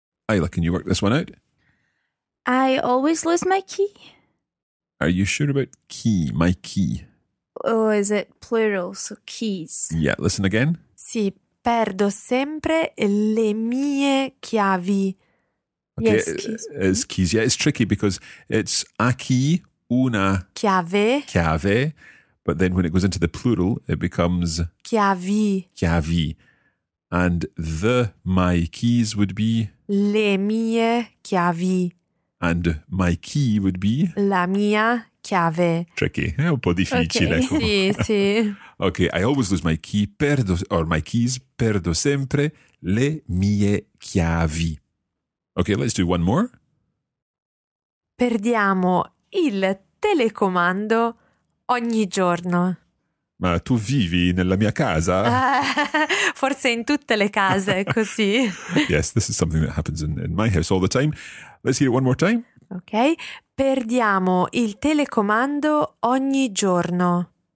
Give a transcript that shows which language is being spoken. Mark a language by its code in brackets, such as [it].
[en] Ayla, can you work this one out? I always lose my key. Are you sure about key, my key? Oh, is it plural? So keys. Yeah, listen again. [it] Sì. Perdo sempre le mie chiavi. [en] Okay, yes, keys. It's keys. Yeah, it's tricky because it's a key, una [it] chiave, [en] but then when it goes into the plural, it becomes [it] chiavi. [en] And the my keys would be [it] le mie chiavi. [en] And my key would be [it] la mia chiave. [en] Tricky. [it] Un po' difficile. Okay. Sì, sì. [en] Okay, I always lose my key, perdo, or my keys, [it] perdo sempre le mie chiavi. [en] Okay, let's do one more. [it] Perdiamo il telecomando ogni giorno. Ma tu vivi nella mia casa? Forse in tutte le case, così. [en] Yes, this is something that happens in my house all the time. Let's hear it one more time. [it] Okay, perdiamo il telecomando ogni giorno.